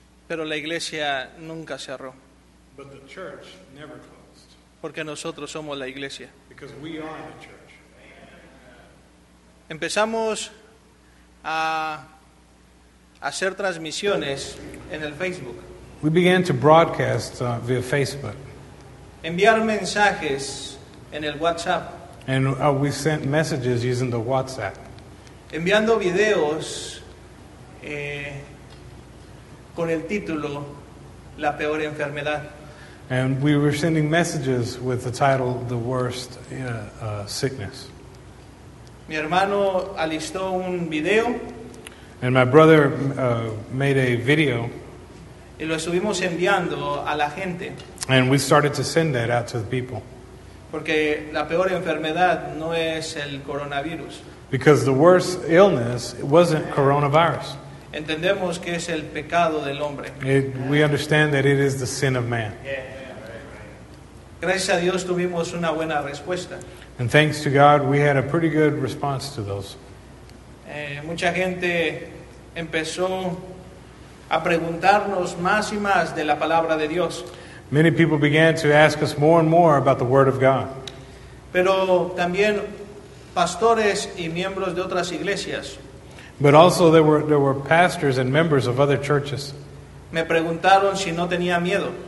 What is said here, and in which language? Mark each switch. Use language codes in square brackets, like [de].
[es] Pero la iglesia nunca cerró. [en] But the church never closed. [es] Porque nosotros somos la iglesia. [en] Because we are the church. [es] Empezamos a hacer transmisiones en el Facebook. [en] We began to broadcast via Facebook. [es] Enviar mensajes en el WhatsApp. [en] And we sent messages using the WhatsApp. [es] Enviando videos con el título La Peor Enfermedad. [en] And we were sending messages with the title The Worst Sickness. [es] Mi hermano alistó un video. [en] And my brother made a video. [es] Y lo estuvimos enviando a la gente. [en] And we started to send that out to the people. [es] Porque la peor enfermedad no es el coronavirus. [en] Because the worst illness wasn't coronavirus. [es] Entendemos que es el pecado del hombre. [en] We understand that it is the sin of man. [es] Gracias a Dios tuvimos una buena respuesta. [en] And thanks to God, we had a pretty good response to those. [es] Mucha gente empezó a preguntarnos más y más de la palabra de Dios. [en] Many people began to ask us more and more about the Word of God. [es] Pero también pastores y miembros de otras iglesias. [en] But also there were pastors and members of other churches. [es] Me preguntaron si no tenía miedo.